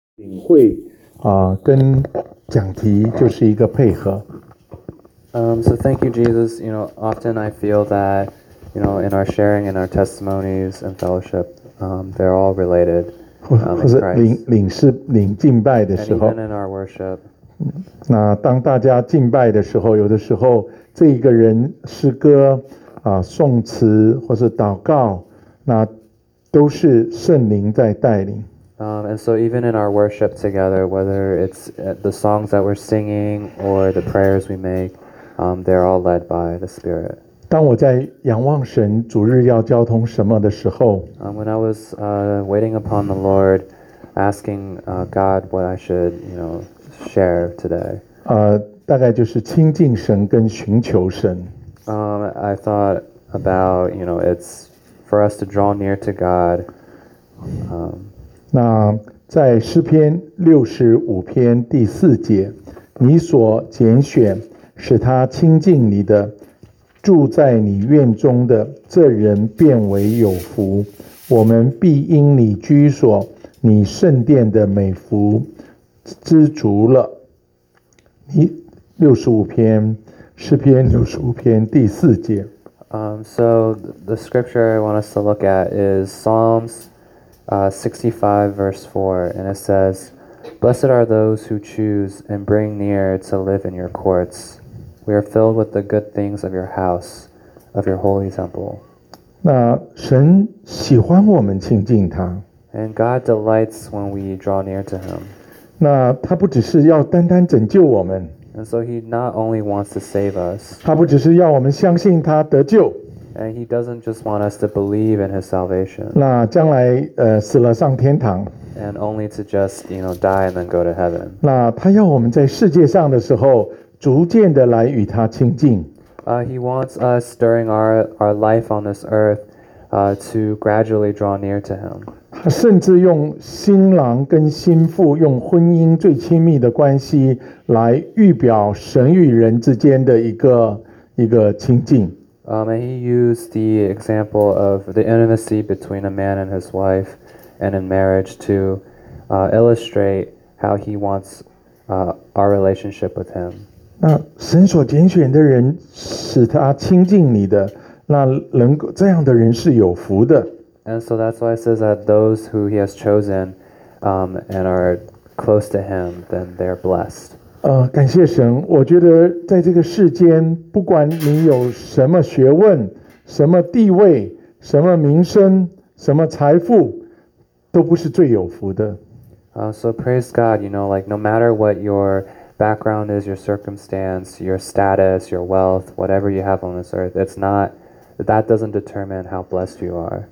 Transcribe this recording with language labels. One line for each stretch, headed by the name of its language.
Chinese: 领会跟讲题就是一个配合。
English: So thank you, Jesus. You know, often I feel that, you know, in our sharing, in our testimonies and fellowship, they're all related.
Chinese: 或是领事领敬拜的时候。
English: And even in our worship.
Chinese: 那当大家敬拜的时候，有的时候这一个人诗歌颂词或是祷告，那都是圣灵在带领。
English: And so even in our worship together, whether it's the songs that we're singing or the prayers we make, they're all led by the Spirit.
Chinese: 当我在仰望神主日要交通什么的时候
English: When I was waiting upon the Lord, asking God what I should, you know, share today.
Chinese: 大概就是亲近神跟寻求神
English: I thought about, you know, it's for us to draw near to God.
Chinese: 那在诗篇六十五篇第四节，你所拣选使他亲近你的，住在你院中的，这人变为有福。我们必因你居所，你圣殿的美福知足了。你六十五篇诗篇六十五篇第四节。
English: So the scripture I want us to look at is Psalms. 65 verse 4, and it says, Blessed are those who choose and bring near to live in your courts. We are filled with the good things of your house, of your holy temple.
Chinese: 那神喜欢我们亲近他。
English: And God delights when we draw near to him.
Chinese: 那他不只是要单单拯救我们。
English: And so he not only wants to save us.
Chinese: 他不只是要我们相信他得救。
English: And he doesn't just want us to believe in his salvation.
Chinese: 那将来死了上天堂。
English: And only to just, you know, die and then go to heaven.
Chinese: 那他要我们在世界上的时候逐渐的来与他亲近。
English: He wants us during our life on this earth, to gradually draw near to him.
Chinese: 他甚至用新郎跟新妇用婚姻最亲密的关系来预表神与人之间的一个亲近。
English: And he used the example of the intimacy between a man and his wife and in marriage to illustrate how he wants our relationship with him.
Chinese: 那神所拣选的人使他亲近你的，那能够这样的人是有福的。
English: And so that's why it says that those who he has chosen and are close to him, then they're blessed.
Chinese: 感谢神，我觉得在这个世间，不管你有什么学问、什么地位、什么名声、什么财富，都不是最有福的。
English: So praise God, you know, like no matter what your background is, your circumstance, your status, your wealth, whatever you have on this earth, it's not, that doesn't determine how blessed you are.